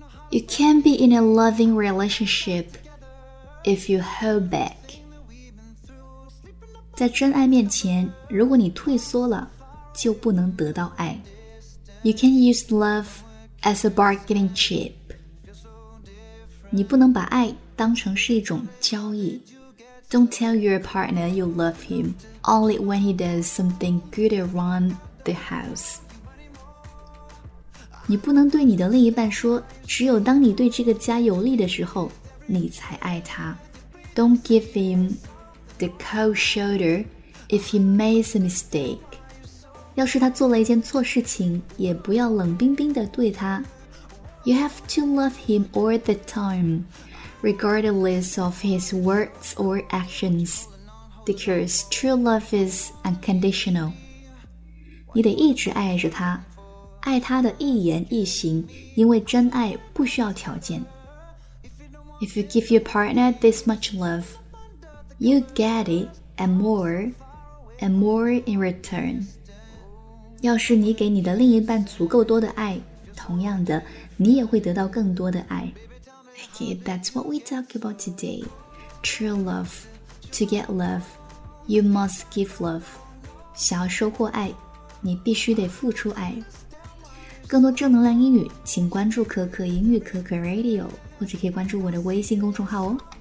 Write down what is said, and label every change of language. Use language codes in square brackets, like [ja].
[en] You can't be in a loving relationship if you hold back。 [zh] 在真爱面前，如果你退缩了，就不能得到爱。 [en] You can use love as a bargaining chip。 [zh] 你不能把爱当成是一种交易。 [en] Don't tell your partner you love him only when he does something good around the house。 [zh] 你不能对你的另一半说，只有当你对这个家有利的时候，你才爱他。 [en] Don't give him the cold shoulder if he makes a mistake。 [zh] 要是他做了一件错事情，也不要冷冰冰地对他。 [en] You have to love him all the time, regardless of his words or actions, because true love is unconditional。 [zh] 你得一直爱着他。爱他的一言一行，因为真爱不需要条件。 [en] If you give your partner this much love, you get it and more in return. [zh] 要是你给你的另一半足够多的爱，同样的，你也会得到更多的爱。 [en] Okay, that's what we talk about today. True love, to get love, you must give love. [zh] 想要收获爱，你必须得付出爱。更多正能量英语，请关注可可英语可可 Radio， 或者可以关注我的微信公众号哦。